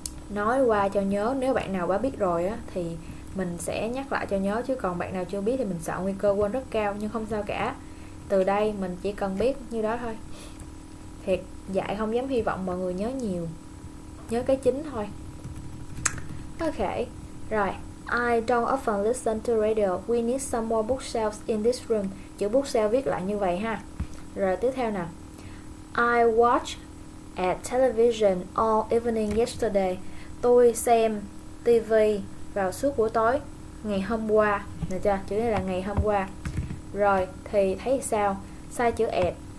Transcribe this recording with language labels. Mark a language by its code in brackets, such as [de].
[vi] Nói qua cho nhớ, nếu bạn nào đã biết rồi á thì mình sẽ nhắc lại cho nhớ, chứ còn bạn nào chưa biết thì mình sợ nguy cơ quên rất cao. Nhưng không sao cả, từ đây mình chỉ cần biết như đó thôi. Thiệt dạy không dám hy vọng mọi người nhớ nhiều, nhớ cái chính thôi. [en] Ok, rồi. I don't often listen to radio. We need some more bookshelves in this room. [vi] Chữ bookshelf viết lại như vậy ha. Rồi tiếp theo nè. [en] I watch at television all evening yesterday. [vi] Tôi xem TV vào suốt buổi tối ngày hôm qua, được chưa? Chữ này là ngày hôm qua. Rồi thì thấy sao? Sai chữ at.